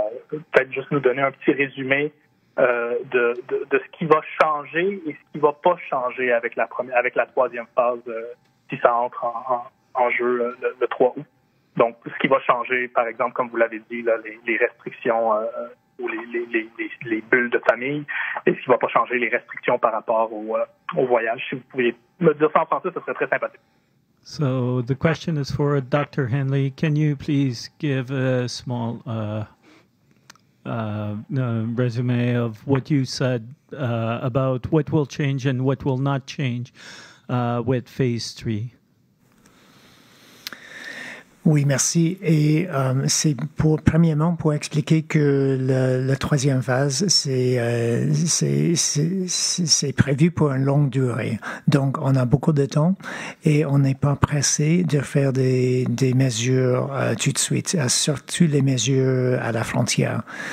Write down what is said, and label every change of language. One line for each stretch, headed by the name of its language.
French: Peut-être juste nous donner un petit résumé de ce qui va changer et ce qui va pas changer avec la première, avec la troisième phase, si ça entre en jeu le 3 août. Donc, ce qui va changer, par exemple, comme vous l'avez dit, là, les restrictions ou les bulles de famille, et ce qui va pas changer, les restrictions par rapport au voyage. Si vous pouviez me dire ça en français, ce serait très sympathique.
English: So, the question is for Dr. Hanley. Can you please give a small resume of what you said about what will change and what will not change with phase 3?
French: Oui, merci. Et c'est pour premièrement pour expliquer que la troisième phase c'est prévu pour une longue durée. Donc on a beaucoup de temps et on n'est pas pressé de faire des mesures tout de suite, surtout les mesures à la frontière.